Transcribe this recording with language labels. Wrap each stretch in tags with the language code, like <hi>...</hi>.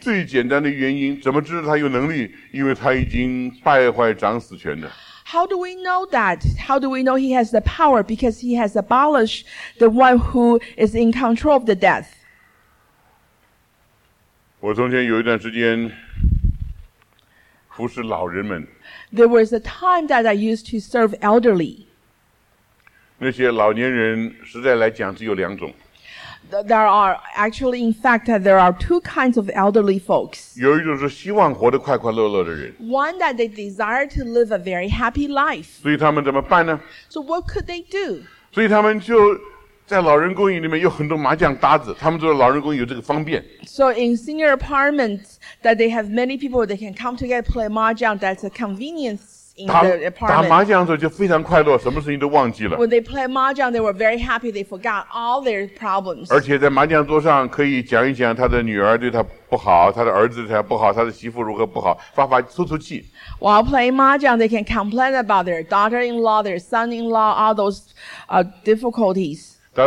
<zh>最简单的原因，怎么知道他有能力？因为他已经败坏掌死权的。</zh> <en>How do we know that? How do we know he has the power? Because he has abolished the one who is in control of the death.</en> <zh>我从前有一段时间服侍老人们。</zh> <en>There was a time that I used to serve elderly.</en> <zh>那些老年人实在来讲只有两种。</zh> <en>There are actually, in fact, there are two kinds of elderly folks.</en> <zh>有一种是希望活得快快乐乐的人。</zh> <en>One that they desire to live a very happy life.</en> <zh>所以他们怎么办呢</zh> <en>？So what could they do?</en> <zh>所以他们就在老人公寓里面有很多麻将搭子，他们住的老人公寓有这个方便。</zh> <en>So in senior apartments that they have many people they can come together play mahjong. That's a convenience.</en> <zh>打麻将的时候就非常快乐，什么事情都忘记了。</zh> <en>When they play mahjong, they were very happy. They forgot all their problems.</en> <zh>而且在麻将桌上可以讲一讲他的女儿对他不好，他的儿子对他不好，他的媳妇如何不好，发发出出气。</zh> <en>While playing mahjong, they can complain about their daughter-in-law, their son-in-law, all those difficulties.</en>